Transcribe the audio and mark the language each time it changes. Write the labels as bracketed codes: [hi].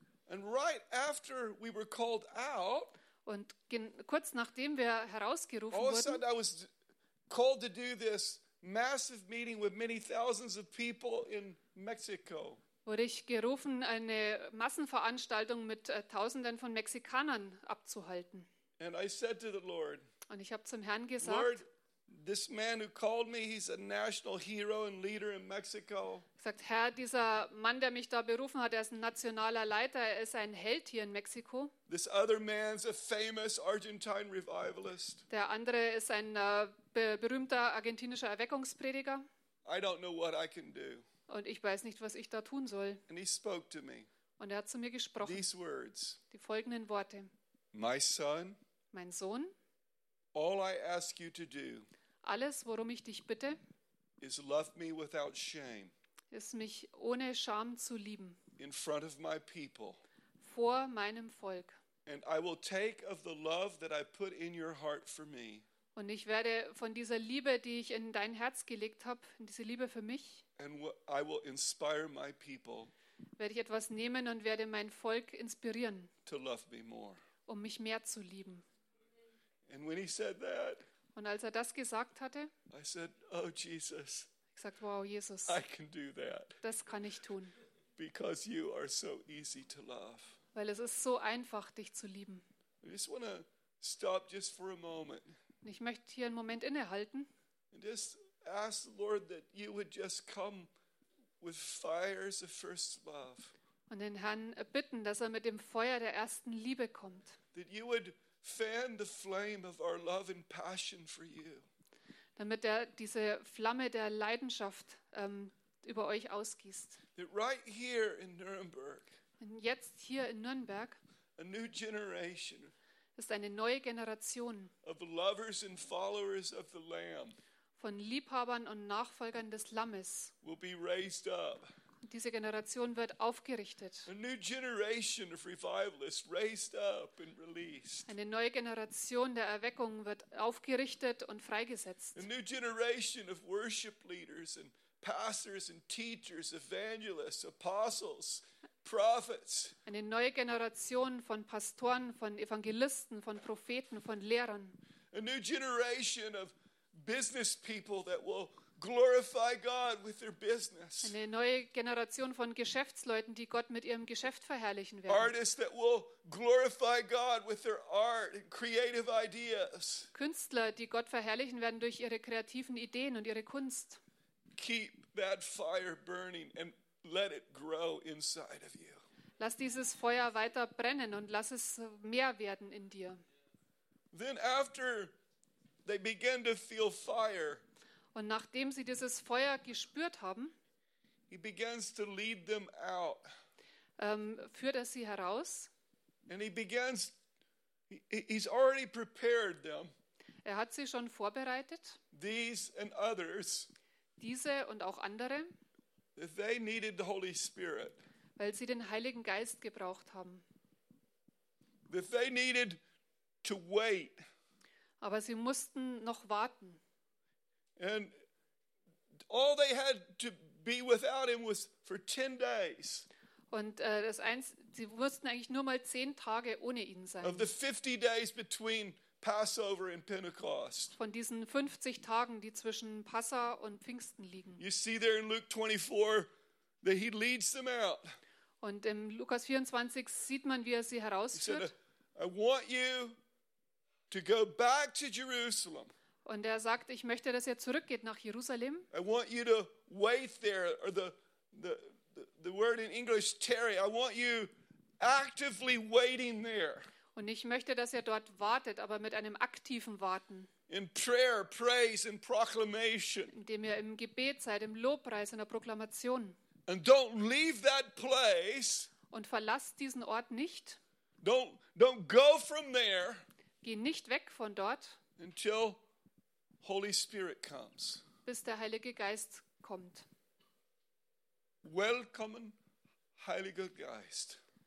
[en] And right after we were called out, [de] und kurz nachdem wir herausgerufen wurden, [en] all of a sudden I was called to do this massive meeting with many thousands of people in Mexico. [de] Wurde ich gerufen, eine Massenveranstaltung mit Tausenden von Mexikanern abzuhalten. [en] And I said to the Lord, [de] und ich habe zum Herrn gesagt, [en] this man who called me, he's a national hero and leader in Mexico. [de] Sagt Herr, dieser Mann, der mich da berufen hat, er ist ein nationaler Leiter, er ist ein Held hier in Mexiko. [en] This other man's a famous Argentine revivalist. [de] Der andere ist ein berühmter argentinischer Erweckungsprediger. [en] I don't know what I can do. [de] Und ich weiß nicht, was ich da tun soll. [en] And he spoke to me. [de] Und er hat zu mir gesprochen. [en] These words. [de] Die folgenden Worte. [en] My son. [de] Mein Sohn. [en] All I ask you to do, [de] alles, worum ich dich bitte, [en] is love me without shame, [de] ist mich ohne Scham zu lieben, [en] in front of my people, [de] vor meinem Volk. [en] And I will take of the love that I put in your heart for me, [de] und ich werde von dieser Liebe, die ich in dein Herz gelegt habe, in diese Liebe für mich, [en] and I will inspire my people, [de] werde ich etwas nehmen und werde mein Volk inspirieren, [en] to love me more, [de] um mich mehr zu lieben. [en] And when he said that, [de] und als er das gesagt hatte, [en] I said, oh Jesus, [de] ich sagte, wow, Jesus, [en] I can do that. [de] Das kann ich tun. [en] Because you are so easy to love. [de] Weil es ist so einfach, dich zu lieben. [en] I just want to stop just for a moment. [de] Ich möchte hier einen Moment innehalten. [en] And just ask the Lord that you would just come with fires of first love. [de] Und den Herrn bitten, dass er mit dem Feuer der ersten Liebe kommt. [en] That you would fan the flame of our love and passion for you. [de] Damit er diese Flamme der Leidenschaft über euch ausgießt. [en] That right here in Nuremberg. [de] Und jetzt hier in Nürnberg. [en] A new generation. [de] Ist eine neue Generation. [en] Of lovers and followers of the Lamb. [de] Von Liebhabern und Nachfolgern des Lammes. [en] Will be raised up. [de] Und diese Generation wird aufgerichtet. [en] A new generation of revivalists raised up and released. [de] Eine neue Generation der Erweckung wird aufgerichtet und freigesetzt. [en] A new generation of worship leaders and pastors and teachers, evangelists, apostles, prophets. [de] Eine neue Generation von Pastoren, von Evangelisten, von Propheten, von Lehrern. [en] A new generation of business people that will glorify God with their business. [de] Eine neue Generation von Geschäftsleuten, die Gott mit ihrem Geschäft verherrlichen werden. [en] Artists that will glorify God with their art and creative ideas. [de] Künstler, die Gott verherrlichen werden durch ihre kreativen Ideen und ihre Kunst. [en] Keep that fire burning and let it grow inside of you. [de] Lass dieses Feuer weiter brennen und lass es mehr werden in dir. [en] Then after they begin to feel fire, [de] und nachdem sie dieses Feuer gespürt haben, [en] he begins to lead them out. [de] Führt er sie heraus. [en] And he's already prepared them. [de] Er hat sie schon vorbereitet. [en] These and others, [de] diese und auch andere. [en] They needed the Holy Spirit. [de] Weil sie den Heiligen Geist gebraucht haben. [en] That they needed to wait. [de] Aber sie mussten noch warten. [en] And all they had to be without him was for 10 days. [de] Und das eins, sie mussten eigentlich nur mal 10 Tage ohne ihn sein. [en] Of the 50 days between Passover and Pentecost. [de] Von diesen 50 Tagen, die zwischen Passa und Pfingsten liegen. [en] You see there in Luke 24 that he leads them out. [de] Und im Lukas 24 sieht man, wie er sie herausführt. [en] I want you to go back to Jerusalem. [de] Und er sagt, ich möchte, dass ihr zurückgeht nach Jerusalem. [en] I want you to wait there, or the word in English, tarry. I want you actively waiting there. [de] Und ich möchte, dass ihr dort wartet, aber mit einem aktiven Warten. [en] In prayer, praise and proclamation. [de] Indem ihr im Gebet seid, im Lobpreis, in der Proklamation. [en] And don't leave that place. [de] Und verlasst diesen Ort nicht. [en] Don't go from there. [de] Geh nicht weg von dort. [en] Until Holy Spirit comes. [de] Bis der Heilige Geist kommt. Welcome, Heiliger Geist.